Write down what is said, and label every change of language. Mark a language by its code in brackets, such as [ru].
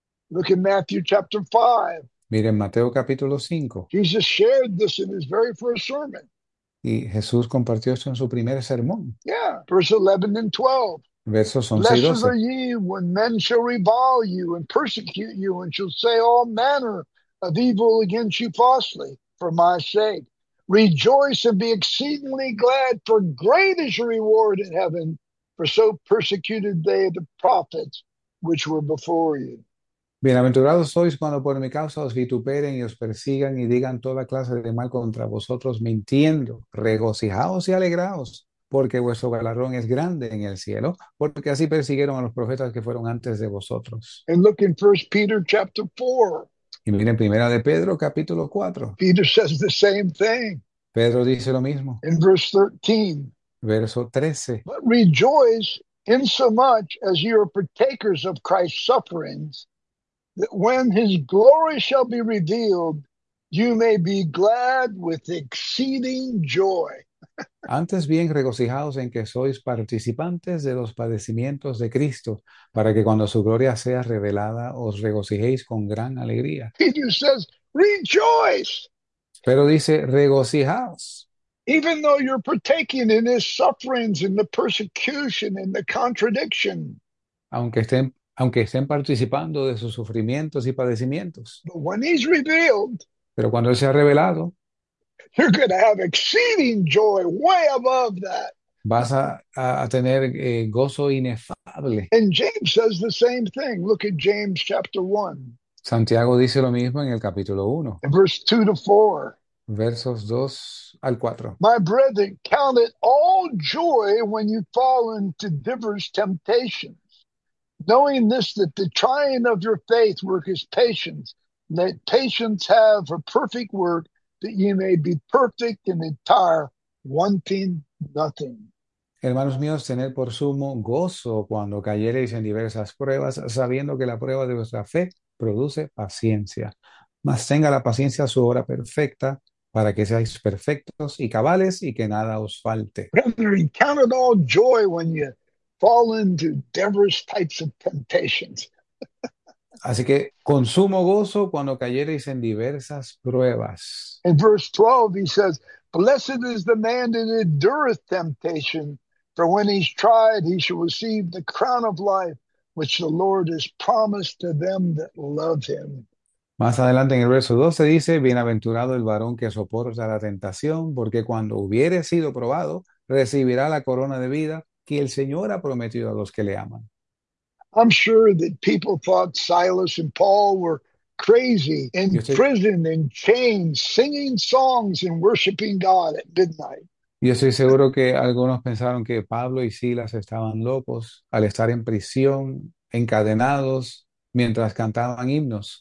[en] Look at Matthew chapter 5. [es] Miren Mateo capítulo 5. [en] Jesus shared this in his very first sermon. [es] Y Jesús compartió esto en su primer sermón. [en] Yeah, verse 11 and 12. [es] Versos 11 y [en] Blessed are ye when men shall revile you and persecute you and shall say all manner of evil against you falsely for my sake. Rejoice and be exceedingly glad, for great is your reward in heaven, for so persecuted they the prophets which were before you. [es] Bienaventurados sois cuando por mi causa os vituperen y os persigan y digan toda clase de mal contra vosotros, mintiendo. Regocijaos y alegraos, porque vuestro galardón es grande en el cielo, porque así persiguieron a los profetas que fueron antes de vosotros. [en] And look in 1 Peter chapter 4. [es] Y miren, primera de Pedro, capítulo 4. [en] Peter says the same thing [es] Pedro dice lo mismo. [en] in verse 13. [es] Verso 13. [en] But rejoice in so much as you are partakers of Christ's sufferings, that when his glory shall be revealed, you may be glad with exceeding joy. [es] Antes bien regocijados en que sois participantes de los padecimientos de Cristo, para que cuando su gloria sea revelada os regocijéis con gran alegría. [en] Peter says, rejoice. [es] Pero dice, regocijaos. [en] Even though you're partaking in his sufferings, in the persecution, in the contradiction. [es] Aunque estén participando de sus sufrimientos y padecimientos, [en] But when he's revealed, [es] pero cuando él se ha revelado, [en] you're going to have exceeding joy, way above that. [es] vas a tener gozo inefable. [en] And James says the same thing. Look at James chapter 1. [es] Santiago dice lo mismo en el capítulo 1, [en] In verse 2 to 4. [es] versos 2 al 4. [en] My brethren, count it all joy when you fall into divers temptations, knowing this, that the trying of your faith worketh patience. Let patience have a perfect work, that ye may be perfect and entire, wanting nothing. [es] Hermanos míos, tened por sumo gozo cuando cayereis en diversas pruebas, sabiendo que la prueba de vuestra fe produce paciencia. Mas tenga la paciencia su obra perfecta, para que seáis perfectos y cabales y que nada os falte. [en] Brethren, count it all joy when you fall into diverse types of temptations. [es] Así que con sumo gozo cuando cayereis en diversas pruebas. [en] In verse 12, he says, Blessed is the man that endureth temptation, for when he's tried, he shall receive the crown of life which the Lord has promised to them that love him. [es] Más adelante en el verso 12 dice, bienaventurado el varón que soporta la tentación, porque cuando hubiere sido probado, recibirá la corona de vida que el Señor ha prometido a los que le aman. [en] I'm sure that people thought Silas and Paul were crazy in prison, in chains, singing songs and worshiping God at midnight. [es] Yo estoy seguro que algunos pensaron que Pablo y Silas estaban locos al estar en prisión, encadenados, mientras cantaban himnos.